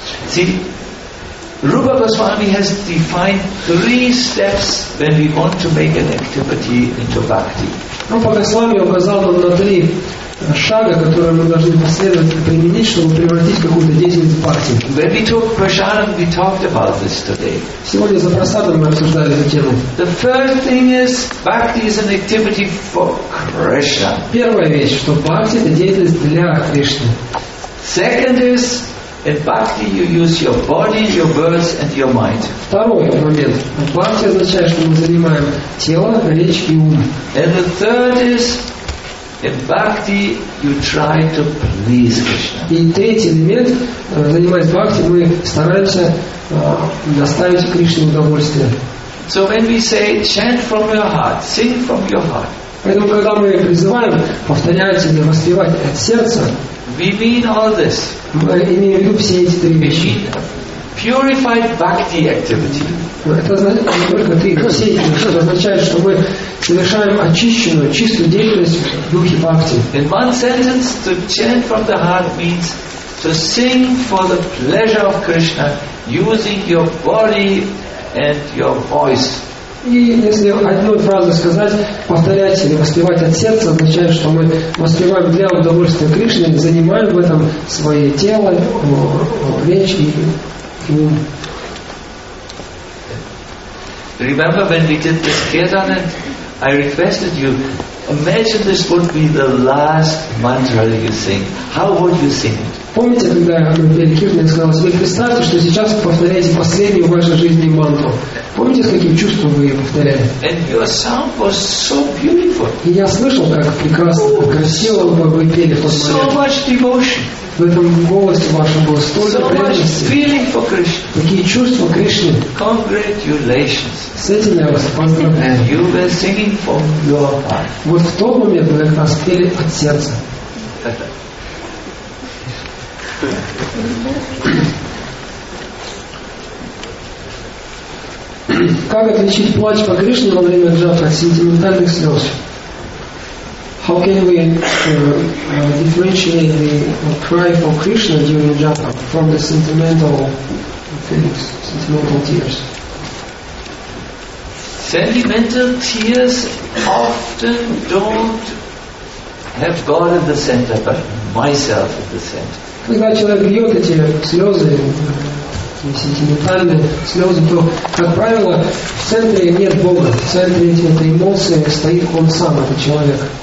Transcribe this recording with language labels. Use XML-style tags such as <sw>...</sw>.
<en>See, Rupa Goswami has defined three steps when we want to make an activity into bhakti.</en> <ru>Rupa Goswami указал нам на три шага, которые мы должны последовательно применить, чтобы превратить какую-то деятельность в бхакти.</ru> <en>When we took prasadam, we talked about this today.</en> <ru>Сегодня за прасадом мы обсуждали эту тему.</ru> <en>The first thing is bhakti is an activity for Krishna.</en> <ru>Первая вещь, что бхакти это деятельность для Кришны.</ru> <en>Second is in bhakti you use your body, your words and your mind.</en> <ru>Второй момент. Бхакти означает, что мы занимаем тело, речь и ум.</ru> <en>And the third is in bhakti, you try to please Krishna.</en> <ru>И третий элемент, занимаясь бхакти, мы стараемся доставить Кришне удовольствие.</ru> <en>So when we say chant from your heart, sing from your heart.</en> <ru>Поэтому когда мы призываем повторять или воспевать от сердца,</ru> <en>we mean all this.</en> <ru>Мы имеем в виду все эти три вещи.</ru> <en>Purified bhakti activity.</en> <ru>Это значит, не только три, все эти вещи означает, что мы совершаем очищенную, чистую деятельность в духе бхакти.</ru> <en>In one sentence, to chant from the heart means to sing for the pleasure of Krishna using your body and your voice.</en> <ru>И если одной фразой сказать, повторять или воспевать от сердца, означает, что мы воспеваем для удовольствия Кришны, занимаем в этом свое тело, речь и ум.</ru> <en>Remember when we did this kirtan and I requested you, imagine this would be the last mantra you sing. How would you sing it?</en> <ru>Помните, когда мы пели киртан, я сказал, вы представьте, что сейчас вы повторяете последнюю в вашей жизни мантру. Помните, с каким чувством вы ее повторяли?</ru> <en>And your sound was so beautiful.</en> <ru>И я слышал, как прекрасно, как красиво вы пели в тот момент.</ru> <en>So much devotion.</en> <ru>В этом голосе вашем было столько преданности.</ru> <en>Feeling for Krishna.</en> <ru>Такие чувства Кришны.</ru> <en>Congratulations.</en> <ru>С этим я вас поздравляю.</ru> <en>And you were singing from your heart.</en> <ru>Вот в тот момент вы как раз пели от сердца. Mm-hmm. Как отличить плач по Кришне во время джапы от сентиментальных слез?</ru> <en>How can we differentiate the cry for Krishna during japa from the sentimental feelings, sentimental tears? Sentimental tears often don't have God at the center, but myself at the center.</en> <ru>Когда человек бьет эти слезы, эти сентиментальные слезы, то, как правило, в центре нет Бога. В центре этих эмоций стоит он сам, этот человек.</ru>